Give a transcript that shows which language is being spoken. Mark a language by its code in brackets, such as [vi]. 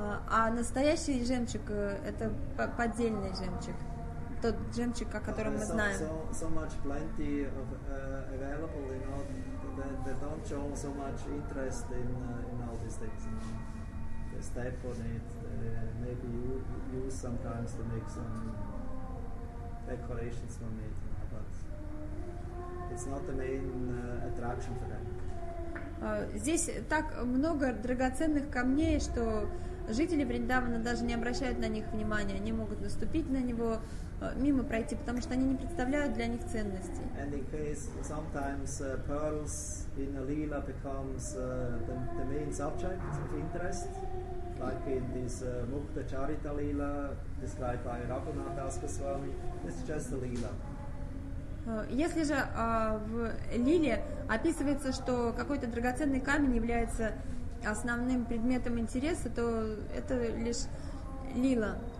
[ru] А настоящий жемчуг — это поддельный жемчуг. Тот жемчуг, о котором мы знаем. [en] So much plenty of available, you know, they don't show so much interest in all these things. They step on it, maybe you use sometimes to make some decorations from it, but it's not the main attraction for them. [ru] Здесь так много драгоценных камней, что жители Вриндавана даже не обращают на них внимания. Они могут наступить на него, мимо пройти, потому что они не представляют для них ценности. [en] And in case sometimes pearls in a lila becomes the main subject of interest, like in this Mukta Charita lila described by Raghunath Das Goswami, it's just a lila. [ru] Если же в лиле описывается, что какой-то драгоценный камень является основным предметом интереса, то это лишь лила.